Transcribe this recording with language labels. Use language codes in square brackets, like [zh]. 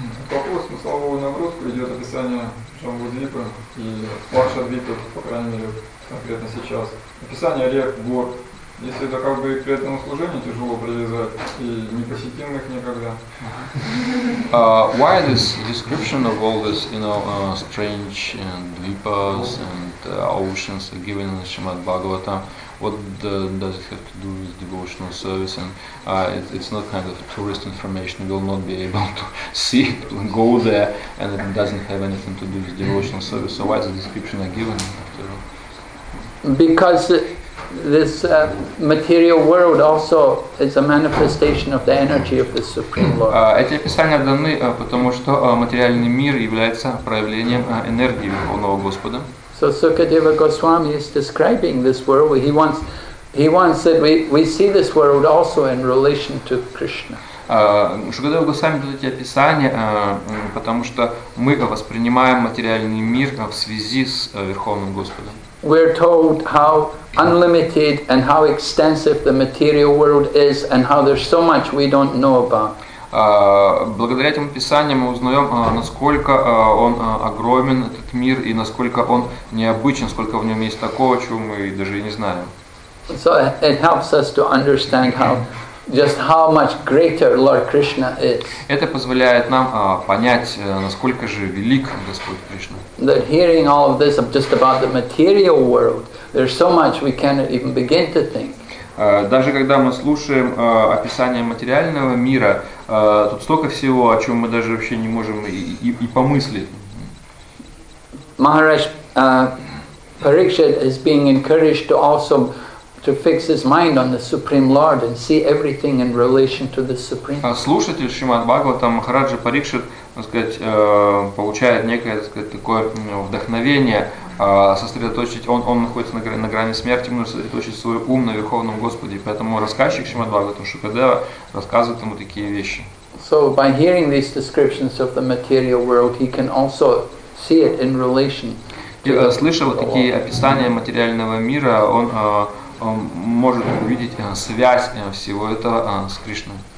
[ru] Вопрос, на слабовую нагрузку идет описание Джамбудвипы и Лакшадвипы, по крайней мере, конкретно сейчас. Описание рек, гор. Если это как бы и к этому служению тяжело привязать, и не посетим их никогда. [en] Why this description of all this, you know, strange and vipas and oceans are given in Shrimad Bhagavatam? What does it have to do with devotional service? And it's not kind of tourist information. You will not be able to see it, go there, and it doesn't have anything to do with devotional service. So why is the description I given after all? Because this material world also is a manifestation of the energy of the Supreme Lord. [ru] Эти описания даны, потому что материальный мир является проявлением энергии Верховного Господа. [en] So Sukadeva Goswami is describing this world. He wants He once said, we see this world also in relation to Krishna. [ru] Шукадева Госвами дает эти описания, потому что мы воспринимаем материальный мир в связи с Верховным Господом. [en] We're told how unlimited and how extensive the material world is and how there's so much we don't know about. [ru] Благодаря этим описаниям мы узнаем, насколько он огромен, этот мир, и насколько он необычен, сколько в нем есть такого, чего мы даже и не знаем. [en] So it helps us to understand how just how much greater Lord Krishna is. [ru] Это позволяет нам понять, насколько же велик Господь Кришна. [en] That hearing all of this just about the material world, there's so much we cannot even begin to think. [ru] Даже когда мы слушаем описание материального мира, тут столько всего, о чем мы даже вообще не можем и помыслить. [en] Maharaj Parikshit is being encouraged to also to fix his mind on the Supreme Lord and see everything in relation to the Supreme. [ru] Слушатель Шримад Бхагаватам Махараджа Парикшит, так сказать, получает некое, так сказать, такое вдохновение. Сосредоточить, он находится на грани смерти, нужно сосредоточить свой ум на Верховном Господе. Поэтому рассказчик Шримад Бхагаватам Шукадева рассказывает ему такие вещи. [en] So by hearing these descriptions of the material world, he can also see it in relation. [ru] Слыша вот такие описания материального мира, он может увидеть связь всего этого с Кришной.